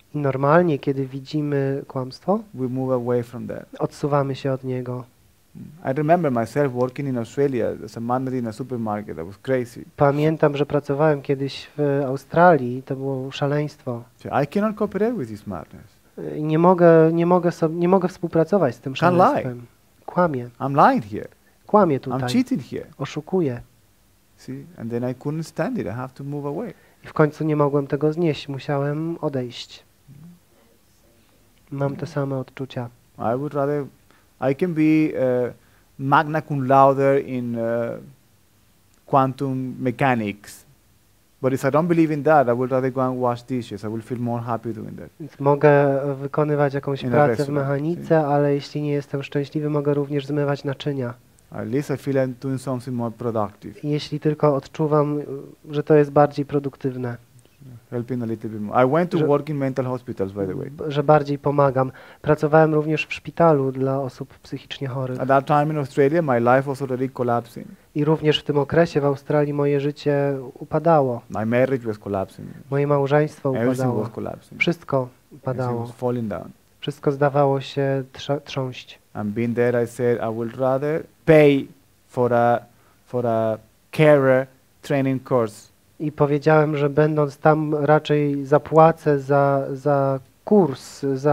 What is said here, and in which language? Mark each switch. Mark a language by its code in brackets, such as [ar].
[pl] i normalnie, kiedy widzimy kłamstwo, [en] we move away from that. [pl] Odsuwamy się od niego. [en] I remember myself working in Australia as a manager in a supermarket. That was crazy. [pl] Pamiętam, że pracowałem kiedyś w Australii. To było szaleństwo. [en] I cannot cooperate with this madness. [pl] Nie mogę współpracować z tym szaleństwem. Kłamie. [en] I'm lying here. [pl] Kłamie tutaj. [en] I'm cheating here. [pl] Oszukuję. [en] See? And then I couldn't stand it. I have to move away. [pl] I w końcu nie mogłem tego znieść. Musiałem odejść. Mam te same odczucia. [en] I would rather. I can be magna cum laude in quantum mechanics, but if I don't believe in that, I would rather go and wash dishes. I will feel more happy doing that. [pl] Mogę wykonywać jakąś pracę w mechanice, ale jeśli nie jestem szczęśliwy, mogę również zmywać naczynia. [en] At least I feel I'm doing something more productive. [pl] Jeśli tylko odczuwam, że to jest bardziej produktywne. [en] helping a little bit more. I went to work in mental hospitals, by the way. [pl] Że bardziej pomagam. Pracowałem również w szpitalu dla osób psychicznie chorych. [en] At that time in Australia, my life was already collapsing. [pl] I również w tym okresie w Australii moje życie upadało. [en] My marriage was collapsing. [pl] Moje małżeństwo upadało. [en] Everything was collapsing. [pl] Wszystko upadało. [en] Everything was falling down. [pl] Wszystko zdawało się trząść. [en] And being there, I said, I would rather pay for a carer training course. [pl] I powiedziałem, że będąc tam raczej zapłacę za kurs.